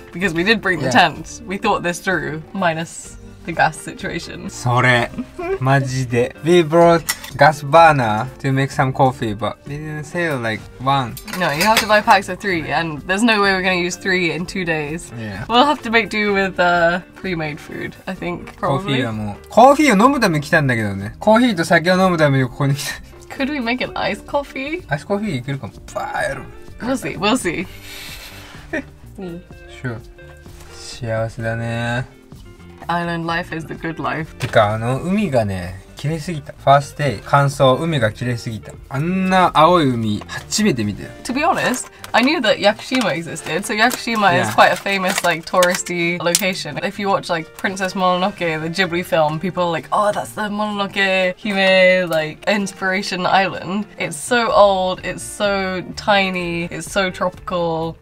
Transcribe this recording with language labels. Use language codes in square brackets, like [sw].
[en] Because we did bring the tent. We thought this through, minus the gas situation. [ja] それ、マジで。 [en] We brought gas burner to make some coffee, but we didn't sell like one. No, you have to buy packs of three, and there's no way we're gonna use three in 2 days. Yeah. We'll have to make do with pre-made food, I think, probably. [ja] コーヒーはもう。コーヒーを飲むために来たんだけどね。コーヒーと酒を飲むためにここに来た。 [en] Could we make an iced coffee? [ja] アイスコーヒーいけるかも。バーやる。 [en] We'll see, we'll see. Sure. [ja] 幸せだね。 [en] Island life is the good life. [ja] てか、あの海がね、綺麗すぎた。 [en] First day, [ja] 乾燥、海が綺麗すぎた。あんな青い海、初めて見たよ。 [en] To be honest, I knew that Yakushima existed. So Yakushima is quite a famous, like, touristy location. If you watch, like, Princess Mononoke, the Ghibli film, people are like, oh, that's the Mononoke Hime, like, inspiration island. It's so old, it's so tiny, it's so tropical.